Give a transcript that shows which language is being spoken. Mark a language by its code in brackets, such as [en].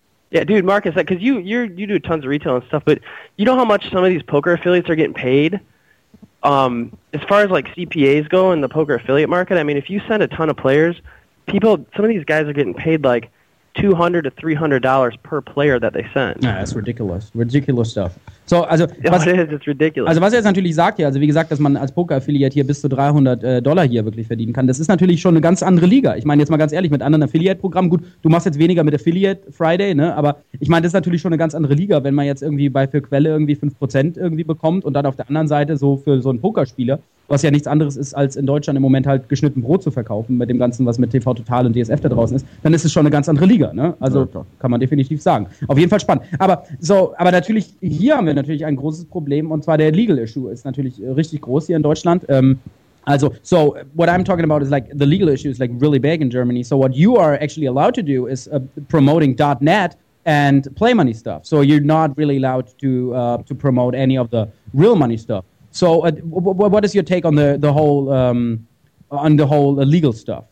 [en] Yeah, dude, Marcus, because you do tons of retail and stuff, but you know how much some of these poker affiliates are getting paid? As far as, like, CPAs go in the poker affiliate market, I mean, if you send a ton of players, people, some of these guys are getting paid, like, $200 to $300 per player that they send. Yeah, that's ridiculous. Ridiculous stuff. So, also, it's ridiculous. [de] Also, was er jetzt natürlich sagt, ja, also wie gesagt, dass man als Poker-Affiliate hier bis zu $300 hier wirklich verdienen kann, das ist natürlich schon eine ganz andere Liga. Ich meine, jetzt mal ganz ehrlich, mit anderen Affiliate-Programmen, gut, du machst jetzt weniger mit Affiliate Friday, ne, aber ich meine, das ist natürlich schon eine ganz andere Liga, wenn man jetzt irgendwie bei für Quelle irgendwie 5% irgendwie bekommt und dann auf der anderen Seite so für so einen Pokerspieler, was ja nichts anderes ist, als in Deutschland im Moment halt geschnitten Brot zu verkaufen mit dem Ganzen, was mit TV Total und DSF da draußen ist, dann ist es schon eine ganz andere Liga, ne? Also, ja, kann man definitiv sagen. Auf jeden Fall spannend. Aber natürlich, hier haben wir natürlich ein großes Problem, und zwar der Legal Issue ist natürlich richtig groß hier in Deutschland. [en] Also, so, what I'm talking about is, like, the legal issue is, like, really big in Germany. So what you are actually allowed to do is promoting .net and play money stuff. So you're not really allowed to promote any of the real money stuff. So what is your take on the whole legal stuff?